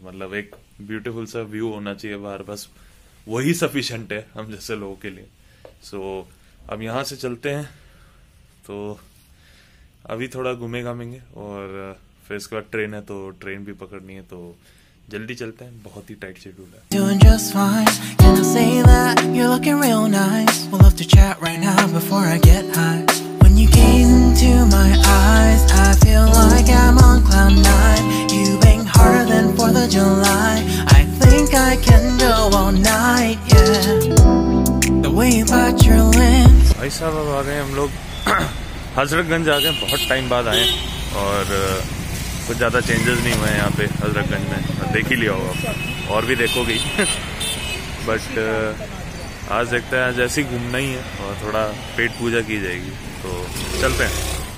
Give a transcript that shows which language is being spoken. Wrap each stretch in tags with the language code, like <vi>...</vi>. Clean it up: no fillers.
<hi>मतलब एक ब्यूटीफुल सा व्यू होना चाहिए बाहर, बस वही सफिशेंट है हम जैसे लोगों के लिए. सो अब यहाँ से चलते हैं, तो अभी थोड़ा घूमे घामेंगे और फिर इसके बाद ट्रेन है, तो ट्रेन भी पकड़नी है, तो जल्दी चलते हैं, बहुत ही टाइट शेड्यूल है.</hi> <en>Doing just fine. Can I say that you're looking real nice? We'll have to chat right now before I get high. When you gaze into my eyes, I feel like I'm on cloud nine. You bang harder than 4th of July. I think I can go all night, yeah. The way you bite your lips.</en> <hi>भाई साहब, अब आ गए हम लोग हजरतगंज आ गए. बहुत time बाद आए और कुछ ज़्यादा चेंजेस नहीं हुए हैं यहाँ पे हजरतगंज में, देख ही लिया होगा और भी देखोगे बट आज देखते हैं, आज ऐसे ही घूमना ही है और थोड़ा पेट पूजा की जाएगी, तो चलते हैं.</hi>